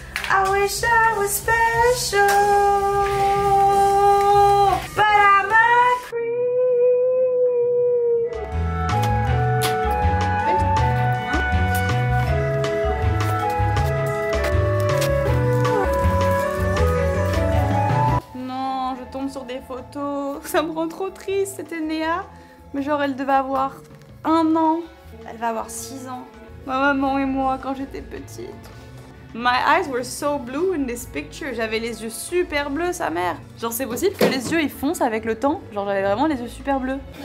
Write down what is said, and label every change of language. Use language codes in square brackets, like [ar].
[en] I wish I was special, but I'm a creep. [fr] Non, je tombe sur des photos. Ça me rend trop triste. C'était Néa, mais genre elle devait avoir 1 an. Elle va avoir 6 ans. Ma maman et moi quand j'étais petite. [en] My eyes were so blue in this picture. [fr] J'avais les yeux super bleus, sa mère. Genre c'est possible que les yeux ils foncent avec le temps. Genre j'avais vraiment les yeux super bleus.